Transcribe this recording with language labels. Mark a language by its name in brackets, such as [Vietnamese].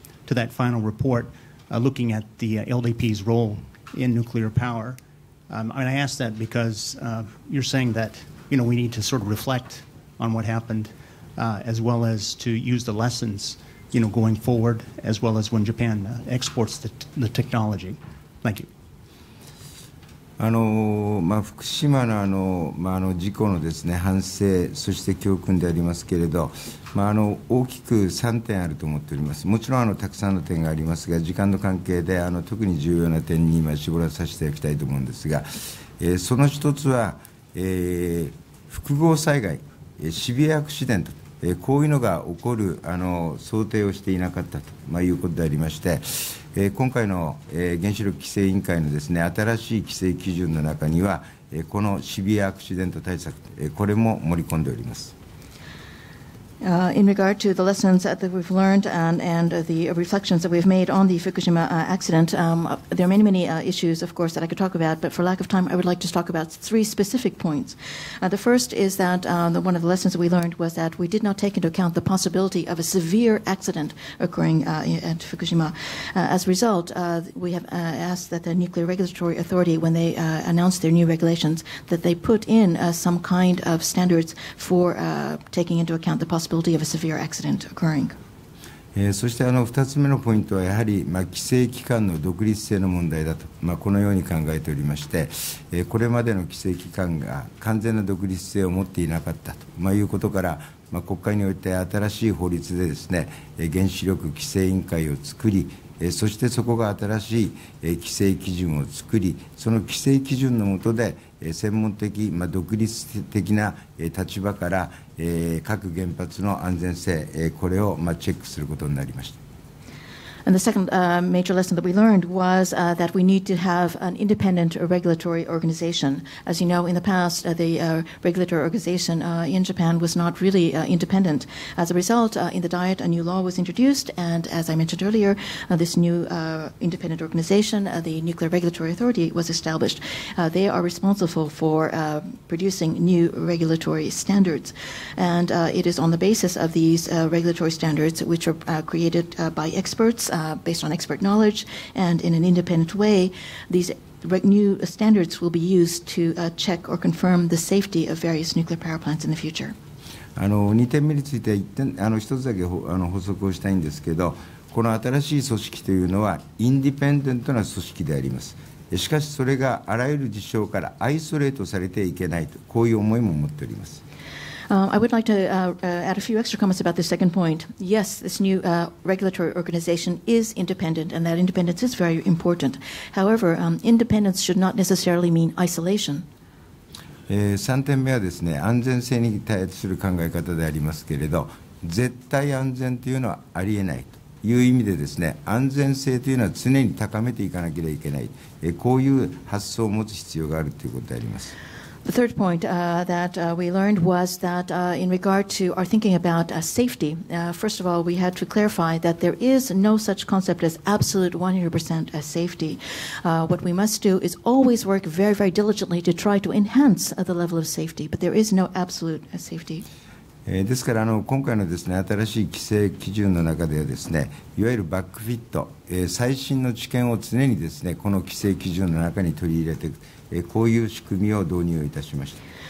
[English] to that final report, looking at the LDP's role in nuclear power. And I ask that because you're saying that, you know, we need to sort of reflect on what happened, as well as to use the lessons, you know, going forward, as well as when Japan exports the technology. Thank you. [Japanese] まあ、福島 の, あの事故のですね反省そして教訓でありますけれど、まあ、大きく3点あると思っております。もちろんたくさんの点がありますが時間の関係で特に重要な点に今絞らさせていただきたいと思うんですが、その一つは、複合災害シビアアクシデント、こういうのが起こる想定をしていなかったと、まあ、いうことでありまして、今回の原子力規制委員会のですね新しい規制基準の中にはこのシビアアクシデント対策これも盛り込んでおります。 [English] In regard to the lessons that we've learned and the reflections that we've made on the Fukushima accident, there are many issues, of course, that I could talk about, but for lack of time, I would like to talk about three specific points. The first is that one of the lessons that we learned was that we did not take into account the possibility of a severe accident occurring at Fukushima. As a result, we have asked that the Nuclear Regulatory Authority, when they announced their new regulations, that they put in some kind of standards for taking into account the possibility of a severe accident occurring. [Japanese] そして2つ目のポイントはやはり、まあ、規制機関の独立性の問題だと、まあ、このように考えておりまして、これまでの規制機関が完全な独立性を持っていなかったと、まあ、いうことから、まあ、国会において新しい法律でですね、原子力規制委員会を作り、そしてそこが新しい、規制基準を作り、その規制基準の下で専門的、まあ、独立的な立場から各原発の安全性これをチェックすることになりました。 [English] And the second major lesson that we learned was that we need to have an independent regulatory organization. As you know, in the past, the regulatory organization in Japan was not really independent. As a result, in the Diet, a new law was introduced, and as I mentioned earlier, this new independent organization, the Nuclear Regulatory Authority, was established. They are responsible for producing new regulatory standards. And it is on the basis of these regulatory standards, which are created by experts, based on expert knowledge and in an independent way, these new standards will be used to check or confirm the safety of various nuclear power plants in the future. [Japanese] 2点目について1点、1つだけ補足をしたいんですけど、この新しい組織というのはインディペンデントな組織であります。しかしそれがあらゆる事象からアイソレートされてはいけないと、こういう思いも持っております。 [English] I would like to add a few extra comments about the second point. Yes, this new regulatory organization is independent, and that independence is very important. However, independence should not necessarily mean isolation. [Japanese] 3点目はですね、安全性に対する考え方でありますけれど、絶対安全というのはありえないという意味でですね、安全性というのは常に高めていかなければいけない、こういう発想を持つ必要があるということであります。 [English] The third point that we learned was that in regard to our thinking about safety, first of all, we had to clarify that there is no such concept as absolute 100% safety. What we must do is always work very, very diligently to try to enhance the level of safety, but there is no absolute safety. [Japanese] ですから今回のですね、新しい規制基準の中ではですね、いわゆるバックフィット、最新の知見を常にですね、この規制基準の中に取り入れていく。こういう仕組みを導入いたしました。